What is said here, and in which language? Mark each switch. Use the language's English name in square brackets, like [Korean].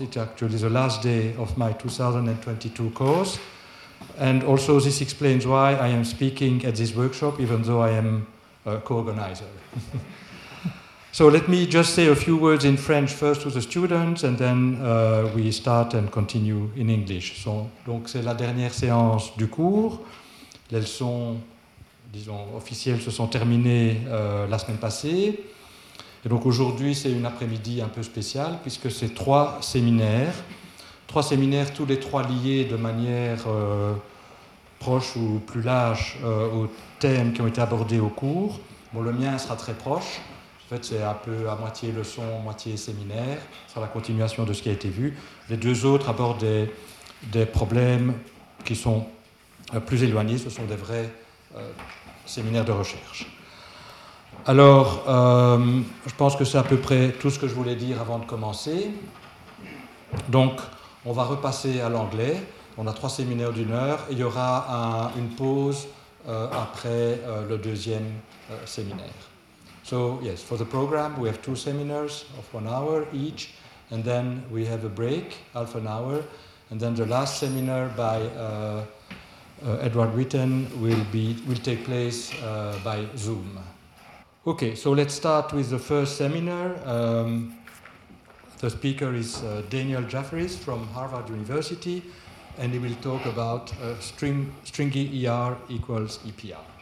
[English] It's actually the last day of my 2022 course. And also this explains why I am speaking at this workshop, even though I am a co-organizer. So let me just say a few words in French first to the students, and then we start and continue in English. [French] So, donc c'est la dernière séance du cours. Les leçons, disons, officielles se sont terminées la semaine passée. Et donc aujourd'hui, c'est une après-midi un peu spéciale, puisque c'est trois séminaires. Trois séminaires, tous les trois liés de manière proche ou plus large aux thèmes qui ont été abordés au cours. Bon, le mien sera très proche. En fait, c'est un peu à moitié leçon, moitié séminaire, sur la continuation de ce qui a été vu. Les deux autres abordent des problèmes qui sont plus éloignés. Ce sont des vrais séminaires de recherche. Alors, je pense que c'est à peu près tout ce que je voulais dire avant de commencer. Donc, on va repasser à l'anglais. On a trois séminaires d'une heure. Et il y aura une pause après le deuxième séminaire. [English] So yes, for the program, we have two seminars of 1 hour each, and then we have a break, half an hour, and then the last seminar by Edward Witten will take place by Zoom. Okay, so let's start with the first seminar. The speaker is Daniel Jefferies from Harvard University, and he will talk about stringy ER equals EPR.